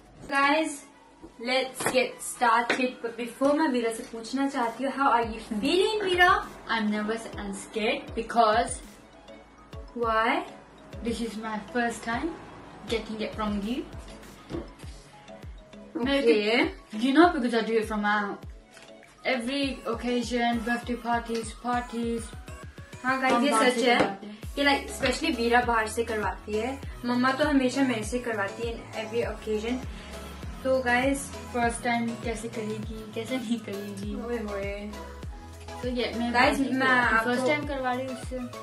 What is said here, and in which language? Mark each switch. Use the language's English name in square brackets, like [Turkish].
[English] Guys, let's get started. But before [Hindi] मैं वीरा से पूछना चाहती हूँ, [English] How are you feeling Veera? I am nervous and scared because why? This is my first time getting it from you. Okay. You know, because I do it from every occasion, birthday parties. [Hindi] हाँ guys, ये सच है कि [English] like specially [Hindi] वीरा बाहर से करवाती है, मम्मा तो हमेशा मेरे से करवाती है [English] Every occasion. [Hindi] तो गाइस, फर्स्ट टाइम कैसे करेगी, कैसे नहीं करेगी. फर्स्ट टाइम करवा रही हूँ उससे.